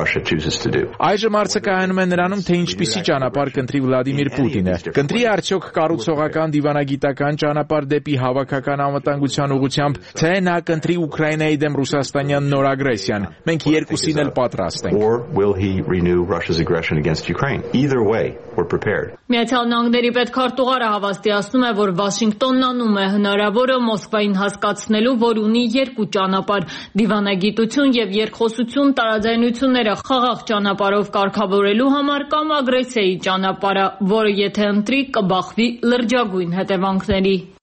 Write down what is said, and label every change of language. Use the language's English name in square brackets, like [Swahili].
[Armenian] Այժմ արձակայանում է նրանում, թե ինչպիսի ճանապարհ կընտրի Վլադիմիր Պուտինը։ Կընտրի արդյոք կառուցողական դիվանագիտական ճանապարհ դեպի հավաքական անվտանգության ուղղությամբ, թե նա կընտրի Ուկրաինայի դեմ ռուսաստանյան նոր ագրեսիան։ Մենք երկուսին էլ պատրաստ ենք։ [English] Or will he renew Russia's aggression against Ukraine? Either way, we're prepared. [Armenian] Միացյալ Նահանգների պետքարտուղարը հավաստիացնում է, որ Վաշինգտոնն անում է հնարավորը Մոսկվային հասկացնելու, որ ունի երկու ճանապարհ՝ դիվանագիտություն եւ երկխոսություն տարաձայնությունները խաղաղ ճանապարհով կարգավորելու համար կամ ագրեսիայի ճանապարհը, որը եթե ընտրի, կբախվի լրջագույն հետևանքների։